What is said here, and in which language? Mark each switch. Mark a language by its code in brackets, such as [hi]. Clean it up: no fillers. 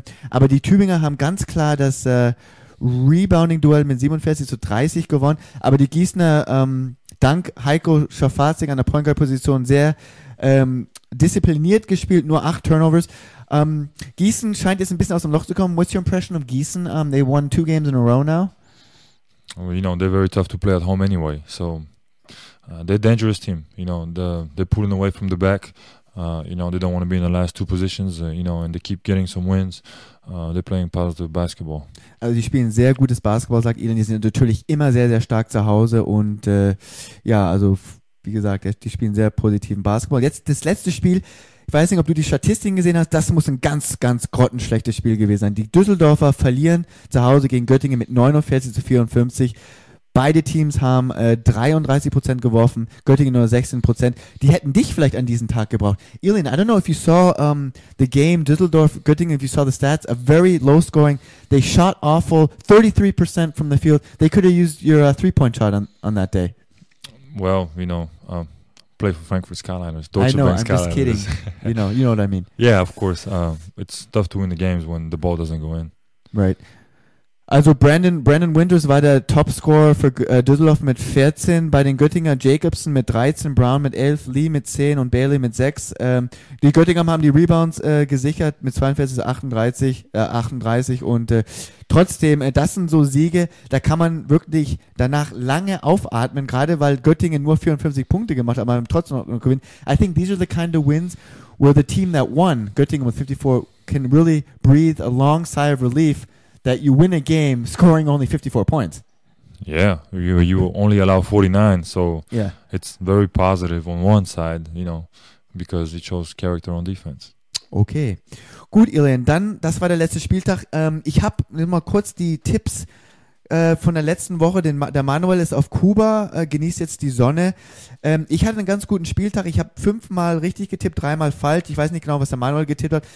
[de] Aber die Tübinger haben ganz klar das Rebounding-Duell mit 47-30 gewonnen. Aber die Gießener, dank Heiko Schafazig an der Point Guard-Position, sehr diszipliniert gespielt, nur 8 Turnovers. Gießen scheint jetzt ein bisschen aus dem Loch zu kommen. [en] What's your impression of Gießen? They won 2 games in a row now. Well, you know, they're very tough to play at home anyway. So they're a dangerous team. You know, they're pulling away from the back. You know, they don't want to be in the last 2 positions. You know, and they keep getting some wins. They're playing positive basketball. [de] Also die spielen sehr gutes Basketball, sagt Ilan. Die sind natürlich immer sehr, sehr stark zu Hause. Und ja, also wie gesagt, die spielen sehr positiven Basketball. Jetzt das letzte Spiel, ich weiß nicht, ob du die Statistiken gesehen hast, das muss ein ganz, ganz grottenschlechtes Spiel gewesen sein. Die Düsseldorfer verlieren zu Hause gegen Göttingen mit 49-54. Beide Teams haben 33% geworfen, Göttingen nur 16%. Die hätten dich vielleicht an diesem Tag gebraucht. [en] Irin, I don't know if you saw the game, Düsseldorf, Göttingen, if you saw the stats, a very low scoring. They shot awful, 33% from the field. They could have used your three-point shot on that day. Well, you know, play for Frankfurt Skyliners. Deutsche I know, Bank I'm Skyliners. Just kidding. you know what I mean. Yeah, of course. It's tough to win the games when the ball doesn't go in. Right. [de] Also Brandon Winters war der Topscorer für Düsseldorf mit 14, bei den Göttinger Jacobson mit 13, Brown mit 11, Lee mit 10 und Bailey mit 6. Die Göttinger haben die Rebounds gesichert mit 42-38 und trotzdem, das sind so Siege, da kann man wirklich danach lange aufatmen, gerade weil Göttingen nur 54 Punkte gemacht hat, aber trotzdem noch gewinnen. [en] I think these are the kind of wins where the team that won, Göttingen with 54, can really breathe a long sigh of relief that you win a game scoring only 54 points. Yeah, you only allow 49, so yeah, it's very positive on one side, you know, because it shows character on defense. [de] Okay, gut, Ilian, dann, das war der letzte Spieltag. Ich habe mal kurz die Tipps von der letzten Woche. Der Manuel ist auf Kuba, genießt jetzt die Sonne. Ich hatte einen ganz guten Spieltag. Ich habe 5-mal richtig getippt, 3-mal falsch. Ich weiß nicht genau, was der Manuel getippt hat.